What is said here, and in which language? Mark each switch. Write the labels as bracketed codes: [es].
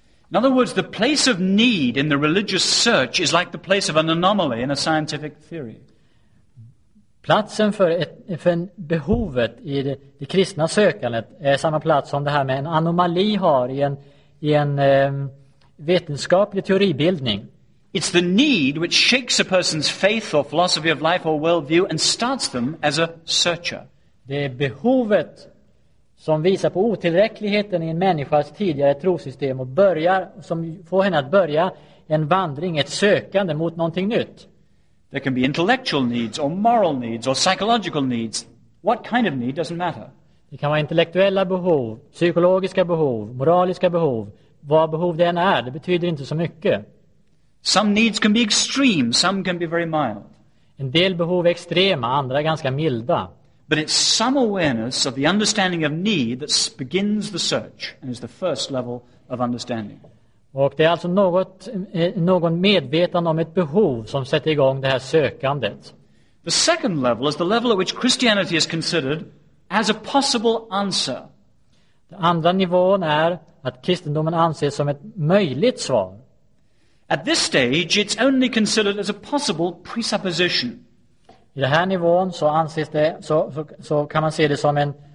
[en] In other words, the place of need in the religious search is like the place of an anomaly in a scientific theory. [sv] Platsen för behovet i det kristna sökandet är samma plats som det här med en anomali har i en vetenskaplig teoribildning. [en] It's the need which shakes a person's faith or philosophy of life or worldview and starts them as a searcher. [sv] Det är behovet som visar på otillräckligheten i en människas tidigare trosystem och börjar som får henne att börja en vandring, ett sökande mot någonting nytt. [en] There can be intellectual needs or moral needs or psychological needs. What kind of need doesn't matter. [sv] Det kan vara intellektuella behov, psykologiska behov, moraliska behov. Vad behov det än är, det betyder inte så mycket. [en] Some needs can be extreme, some can be very mild. [sv] En del behov är extrema, andra är ganska milda. [en] But it's some awareness of the understanding of need that begins the search and is the first level of understanding. [sv] Och det är alltså någon medvetande om ett behov som sätter igång det här sökandet. [en] The second level is the level at which Christianity is considered as a possible answer. [sv] Den andra nivån är att kristendomen anses som ett möjligt svar. [en] At this stage it's only considered as a possible presupposition. [sv] I den här nivån så anses det så kan man se det som